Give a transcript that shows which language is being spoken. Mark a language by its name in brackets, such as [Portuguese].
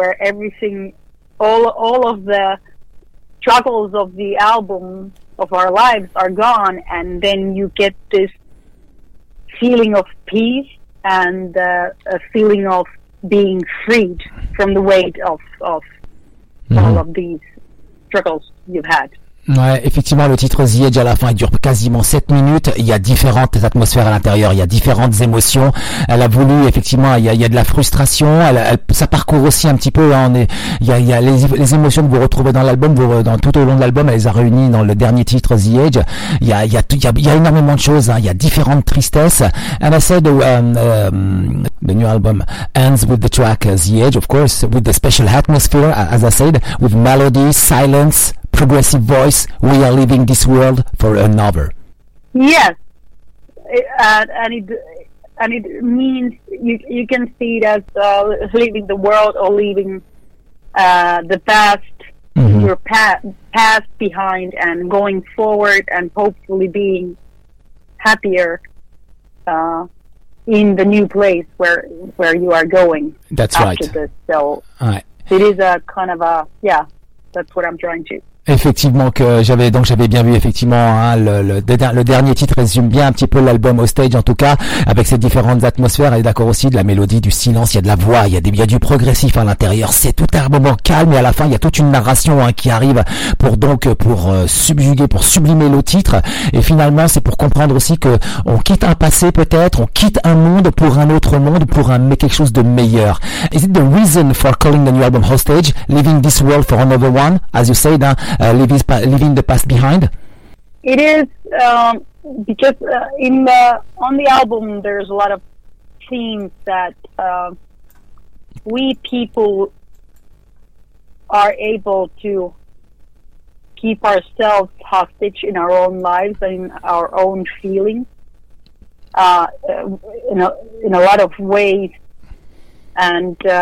[English] everything, all of the struggles of the album of our lives are gone, and then you get this feeling of peace and a feeling of being freed from the weight of all of these struggles you've had. [French] Ouais, effectivement, le titre The Edge à la fin dure quasiment 7 minutes. Il y a différentes atmosphères à l'intérieur, il y a différentes émotions. Elle a voulu, effectivement, il y a de la frustration. Ça parcourt aussi un petit peu. Hein, il y a les émotions que vous retrouvez dans l'album, tout au long de l'album, elle les a réunies dans le dernier titre The Edge. Il y a énormément de choses. Hein, il y a différentes tristesses. [English] And I said the new album ends with the track The Edge, of course, with the special atmosphere, as I said, with melody, silence, progressive voice. We are leaving this world for another. Yes, and it means you can see it as leaving the world or leaving the past, mm-hmm. your past behind, and going forward and hopefully being happier in the new place where you are going. That's after right. This. So all right. It is a kind of a, yeah, that's what I'm trying to. [French] Effectivement, que j'avais bien vu effectivement hein, le dernier titre résume bien un petit peu l'album Hostage, en tout cas avec ses différentes atmosphères. Et d'accord aussi, de la mélodie, du silence, il y a de la voix, il y a du progressif à l'intérieur, c'est tout un moment calme, et à la fin il y a toute une narration hein, qui arrive pour sublimer le titre. Et finalement c'est pour comprendre aussi que on quitte un passé, peut-être on quitte un monde pour un autre monde, pour un mais quelque chose de meilleur. [English] Is it the reason for calling the new album Hostage, leaving this world for another one, as you said, hein? Leaving the past behind. It is because in the on the album there's a lot of themes that we people are able to keep ourselves hostage in our own lives and in our own feelings in a lot of ways, and